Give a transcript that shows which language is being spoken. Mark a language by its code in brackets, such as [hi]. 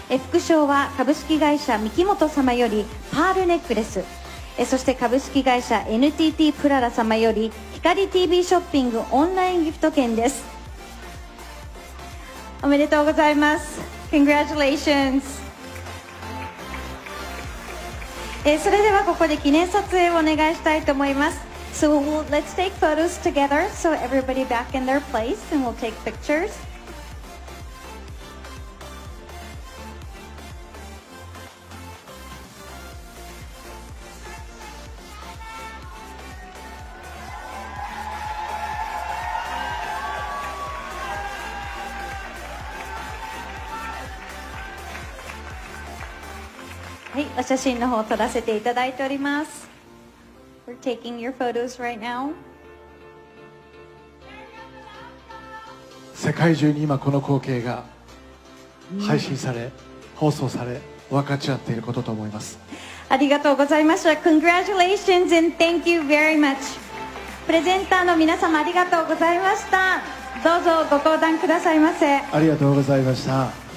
[ja] 副賞は株式会社三木本様よりパールネックレス、そして株式会社 NTT プララ様より光 TV ショッピングオンラインギフト券です。おめでとうございます。 [en] Congratulations。 [ja] それではここで記念撮影をお願いしたいと思います。 [en] So let's take photos together. So everybody back in their place and we'll take pictures [ja] はい、お写真の方を撮らせていただいております。 [en] We're taking your photos right now. [ja] 世界中に今この光景が配信され、放送され、分かち合っていることと思います。ありがとうございました。 [en] Congratulations and thank you very much. [ja] プレゼンターの皆様ありがとうございました。どうぞご登壇くださいませ。ありがとうございました。